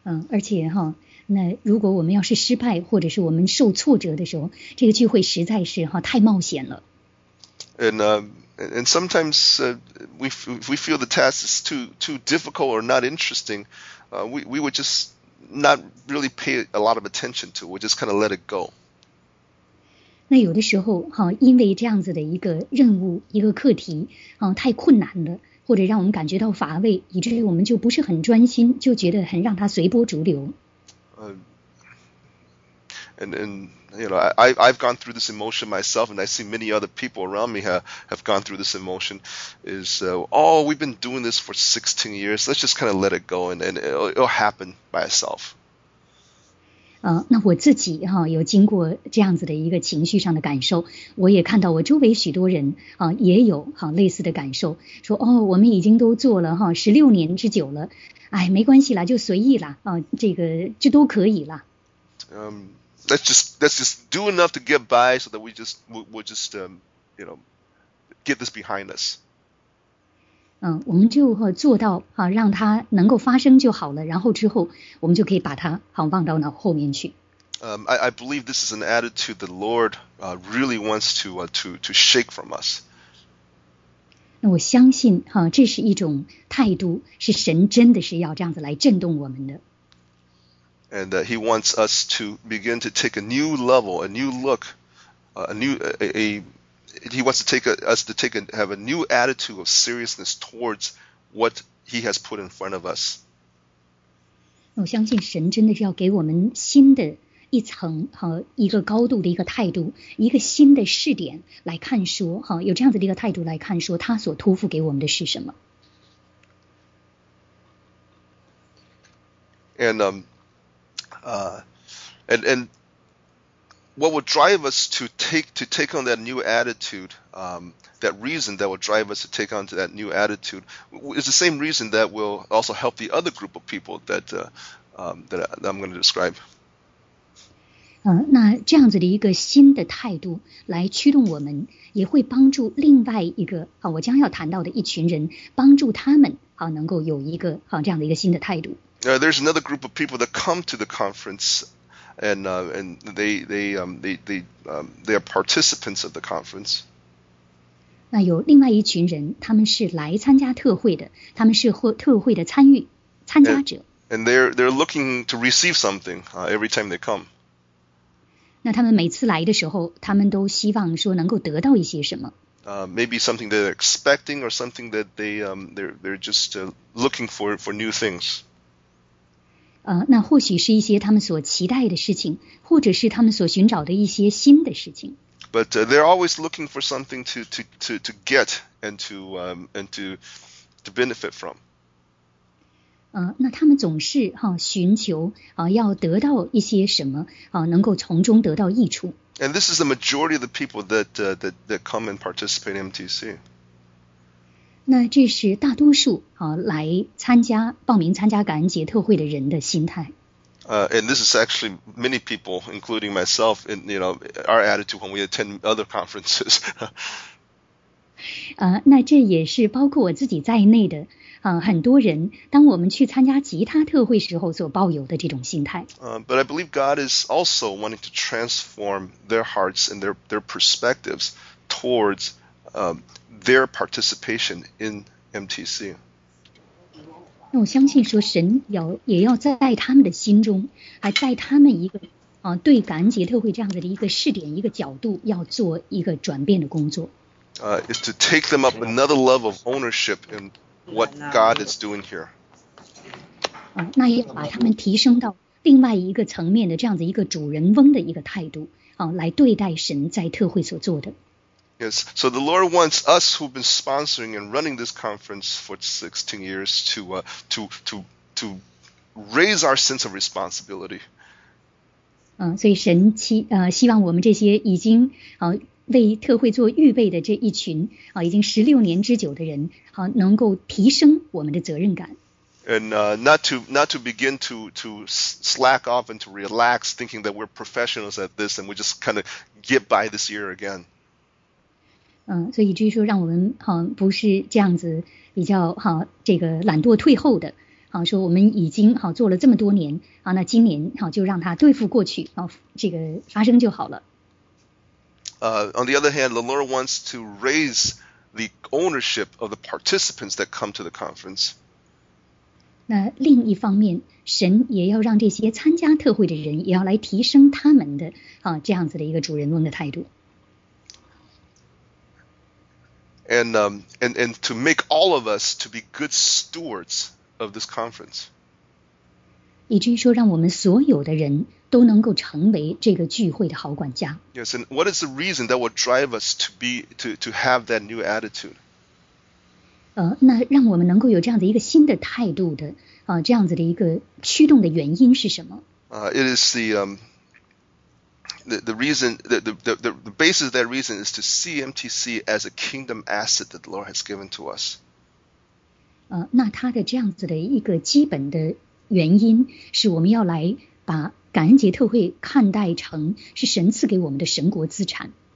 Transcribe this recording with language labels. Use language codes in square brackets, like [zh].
[zh] 而且那如果我们要是失败或者是我们受挫折的时候，这个聚会实在是太冒险了。 [en] And sometimes we feel the task is too difficult or not interesting, we would just not really pay a lot of attention to. We just kind of let it go. [zh] 那有的时候因为这样子的一个任务一个课题太困难了，或者让我们感觉到乏味，以至于我们就不是很专心，就觉得很让它随波逐流。 [en] And I've gone through this emotion myself, and I see many other people around me have gone through this emotion. We've been doing this for 16 years. Let's just kind of let it go, and it'll happen by itself. [zh] 那我自己有经过这样子的一个情绪上的感受，我也看到我周围许多人也有类似的感受，说我们已经都做了16年之久了，哎，没关系啦，就随意啦，这个就都可以啦。 [en] Let's just do enough to get by so that we'll just get this behind us. [zh] 我们就做到让它能够发生就好了，然后之后我们就可以把它忘到脑后面去。 [en] I believe this is an attitude the Lord really wants to shake from us. [zh] 那我相信这是一种态度，是神真的是要这样子来震动我们的。 [en] And that he wants us to begin to take a new level, a new look, he wants us to have a new attitude of seriousness towards what he has put in front of us. [zh] 我相信神真的是要给我们新的一层一个高度的一个态度，一个新的视点来看说有这样子的一个态度来看说他所托付给我们的是什么。 [en] And what will drive us to take on that new attitude, that reason that will drive us to take on to that new attitude is the same reason that will also help the other group of people that I'm going to describe. [zh] 那这样子的一个新的态度来驱动我们，也会帮助另外一个我将要谈到的一群人，帮助他们能够有一个这样的一个新的态度。 [en] There's another group of people that come to the conference, and they are participants of the conference. [zh] 那有另外一群人，他们是来参加特会的，他们是特会的参加者。 [en] And they're looking to receive something every time they come. [zh] 那他们每次来的时候，他们都希望说能够得到一些什么。 [en] Maybe something they're expecting, or something that they're just looking for new things. [zh] 那或许是一些他们所期待的事情，或者是他们所寻找的一些新的事情。 [en] But they're always looking for something to get and to benefit from. [zh] 那他们总是寻求要得到一些什么能够从中得到益处。 [en] And this is the majority of the people that, that come and participate in MTC. [zh] 那这是大多数来参加报名参加感恩节特会的人的心态。 [en] And this is actually many people, including myself, in, you know, our attitude when we attend other conferences. [zh] 那这也是包括我自己在内的很多人当我们去参加吉他特会时候所抱有的这种心态。 [en] But I believe God is also wanting to transform their hearts and their perspectives towards their participation in MTC. [zh] 那我相信说神也要在他们的心中还在他们一个对感恩节特会这样子的一个试点一个角度要做一个转变的工作。 [en] Is to take them up another level of ownership in what God is doing here. [zh] 那也把他们提升到另外一个层面的这样子一个主人翁的一个态度来对待神在特会所做的。 [en] Yes, so the Lord wants us who've been sponsoring and running this conference for 16 years to raise our sense of responsibility. [zh] 所以神希望我们这些已经为特会做预备的这一群已经16年之久的人能够提升我们的责任感。 [en] And not to begin to slack off and to relax thinking that we're professionals at this and we just kind of get by this year again. [zh] 所以至于说让我们不是这样子比较这个懒惰退后的说我们已经做了这么多年那今年就让它对付过去这个发生就好了。 [en] On the other hand, the Lord wants to raise the ownership of the participants that come to the conference. [zh] 那另一方面，神也要让这些参加特会的人也要来提升他们的这样子的一个主人翁的态度。 [en] And to make all of us to be good stewards of this conference. [zh] 以至于说让我们所有的人都能够成为这个聚会的好管家。 [en] Yes, and what is the reason that will drive us to have that new attitude? [zh] 那让我们能够有这样的一个新的态度的这样子的一个驱动的原因是什么？ [en] It is the basis of that reason is to see MTC as a kingdom asset that the Lord has given to us. [zh] 那它的这样子的一个基本的原因是我们要来把感恩节特会看待成是神赐给我们的神国资产。